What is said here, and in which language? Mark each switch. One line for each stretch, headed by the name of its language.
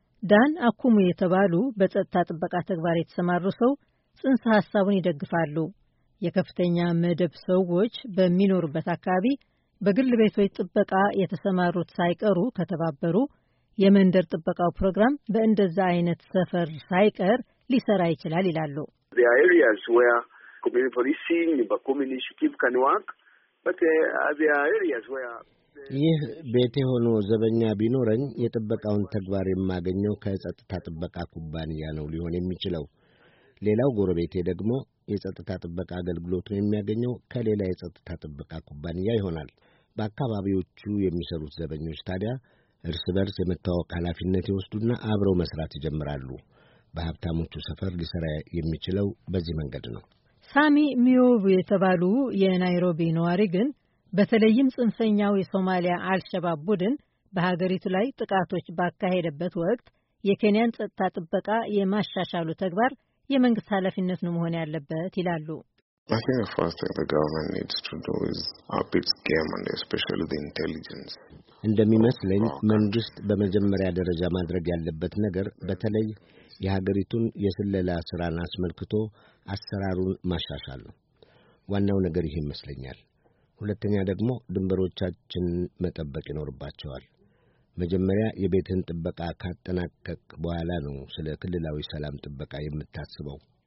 Amharic: ዳን አኩሙ የተባሉ በጸጥታ ጥበቃ ተግባር የተሰማሩ ሰው ጽንሰ ሐሳቡን ይደግፋሉ። የከፍተኛ መደብ ሰዎች በሚኖሩበት አካባቢ በግል ቤቶች ጥበቃ የተሰማሩት ሳይቀሩ ከተባበሩ የመንደር ጥበቃው ፕሮግራም በእንደዛ አይነት ሰፈር ሳይቀር ሊሰራ ይችላል ይላሉ።
English: The areas where community policing and community initiative can work, but there are areas where
Amharic: ይህ ቤቴ ሆኖ ዘበኛ ቢኖረኝ የጥበቃውን ተግባር የማገኘው ከጸጥታ ጥበቃ ኩባንያ ነው ሊሆን የሚችለው። ሌላው ጎረቤቴ ደግሞ የጸጥታ ጥበቃ አገልግሎት ነው የሚያገኘው ከሌላ የጸጥታ ጥበቃ ኩባንያ ይሆናል። በአካባቢዎቹ የሚሰሩት ዘበኞች ታዲያ እርስ በርስ የመታወቅ ኃላፊነት ይወስዱና አብረው መስራት ይጀምራሉ። በሀብታሞቹ ሰፈር ሊሰራ የሚችለው በዚህ መንገድ ነው። ሳሚ ሚዮቭ የተባሉ የናይሮቢ ነዋሪ ግን በተለይም ጽንፈኛው የሶማሊያ አልሸባብ ቡድን በሀገሪቱ ላይ ጥቃቶች ባካሄደበት ወቅት የኬንያን ጸጥታ ጥበቃ የማሻሻሉ ተግባር የመንግስት ኃላፊነት ነው መሆን ያለበት ይላሉ።
English: I think the first thing the government needs to do is up its game and especially the intelligence.
Amharic: እንደሚመስለኝ መንግስት በመጀመሪያ ደረጃ ማድረግ ያለበት ነገር በተለይ የሀገሪቱን የስለላ ስራን አስመልክቶ አሰራሩን ማሻሻል ነው። ዋናው ነገር ይሄ ይመስለኛል። ሁለተኛ ደግሞ ድንበሮቻችን መጠበቅ ይኖርባቸዋል። መጀመሪያ የቤትን ጥበቃ ካጠናቀቅ በኋላ ነው ስለ ክልላዊ ሰላም ጥበቃ የምታስበው።